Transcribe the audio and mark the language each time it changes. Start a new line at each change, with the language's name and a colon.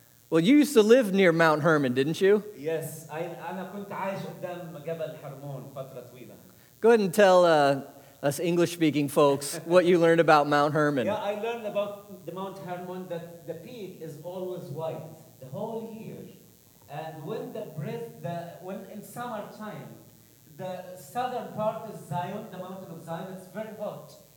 English: Well, you used to live near Mount Hermon, didn't you? Yes. I
Arabic: كنت عايش قدام جبل هرمون فترة طويلة.
English: Go ahead and tell us English-speaking folks what you learned about Mount Hermon. Yeah, I learned about the Mount Hermon that the peak is always white the whole year. And when when in summertime, the southern part is Zion, the mountain of Zion, it's very hot.